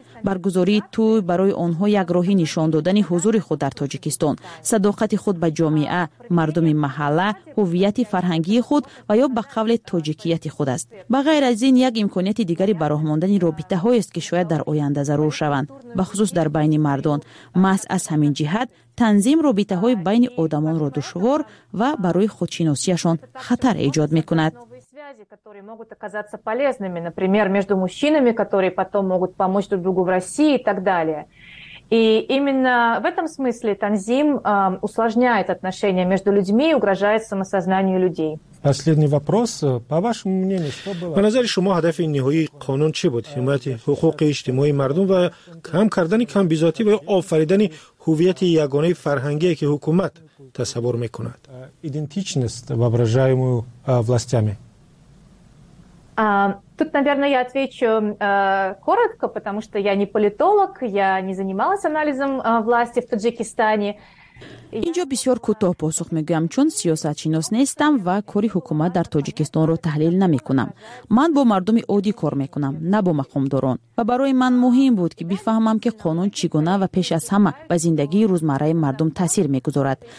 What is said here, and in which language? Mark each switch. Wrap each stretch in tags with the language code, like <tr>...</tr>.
<tg>Баргузории туй барои онҳо як роҳи нишон додани ҳузури худ дар Тоҷикистон, садоқати худ ба ҷомеа, мардуми маҳалла, ҳувияти фарҳангии худ ва ё ба қавле тоҷикияти худ аст. Ба ғайр аз ин, як имконияти дигари ба роҳ мондани робитаҳоест, ки шояд дар оянда зарур шаванд, ба хусус дар байни мардон. Маҳз аз ҳамин ҷиҳат танзим робитаҳои байни одамонро душвор ва барои худшиносиашон хатар эҷод мекунад.</tg> <ru>Которые могут оказаться полезными, например, между мужчинами, которые потом могут помочь друг другу в России и так далее. И именно в этом смысле танзим усложняет отношения между людьми и угрожает самосознанию людей. Последний вопрос. По вашему мнению, что было?</ru> <tg>По назаре шумо ҳадафи ниҳоии қонун чи буд? Ҳимояти ҳуқуқи иҷтимоии мардум ва кам кардани камбизоатӣ ва офаридани ҳувияти ягонаи фарҳангие ки ҳукумат тасаввур мекунад.</tg> <ru>Идентичность, воображаемую властями. Тут, наверное, я отвечу коротко, потому что я не политолог, я не занималась анализом власти в Таджикистане.</ru> <tg>Инҷо бисёр кӯтоҳ посух мегӯям, чун сиёсатшинос нестам ва кори ҳукумат дар Тоҷикистонро таҳлил намекунам. Ман бо мардуми оддӣ кор мекунам, на бо мақомдорон. Ва барои ман муҳим буд ки бифаҳмам, ки қонун чӣ гуна ва пеш аз ҳама ба зиндагии рӯзмарраи мардум таъсир мегузорад.</tg>